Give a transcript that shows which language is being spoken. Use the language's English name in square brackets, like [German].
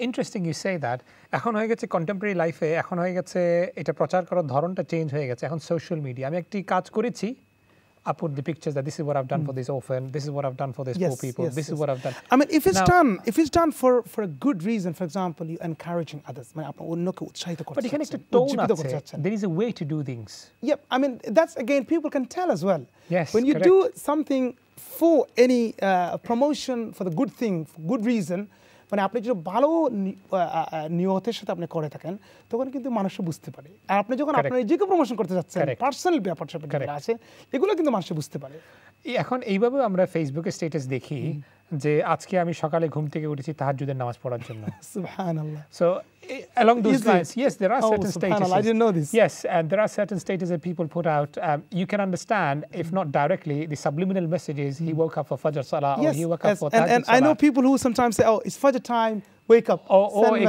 [English] interesting you say that [Bangla] এখন হয়ে গেছে কন্টেম্পোরারি লাইফে এখন হয়ে গেছে এটা প্রচার করার ধরনটা চেঞ্জ হয়ে গেছে এখন সোশ্যাল মিডিয়া আমি একটি কাজ করেছি [English] I put the pictures that this is what I've done for this orphan, this is what I've done for this poor people, this is what I've done. I mean, if it's done, if it's done for a good reason, for example, you're encouraging others. But you can actually tone up. There is a way to do things. Yep. I mean, that's again, people can tell as well. Yes, when you correct. Do something for any promotion, for the good thing, for good reason, [Bangla] মানে আপনি যদি ভালো নিয়তের সাথে আপনি করে থাকেন তখন কিন্তু মানুষ বুঝতে পারে আর আপনি যখন আপনার নিজেকে প্রমোশন করতে যাচ্ছেন পার্সোনাল ব্যাপার সেটা আছে এগুলো কিন্তু মানুষ বুঝতে পারে এখন এইভাবে আমরা ফেসবুকে স্ট্যাটাস দেখি যে আজকে আমি সকালে ঘুম থেকে উঠেছি তাহাজ্জুদের নামাজ পড়ার জন্য সুবহানাল্লাহ [English] So along those lines yes there are certain statuses I didn't know this yes and there are certain statuses that people put out you can understand if not directly the subliminal message is he woke up for fajr salah yes, or he woke up for tahajjud and salah. I know people who sometimes say oh it's fajr time wake up or send messages.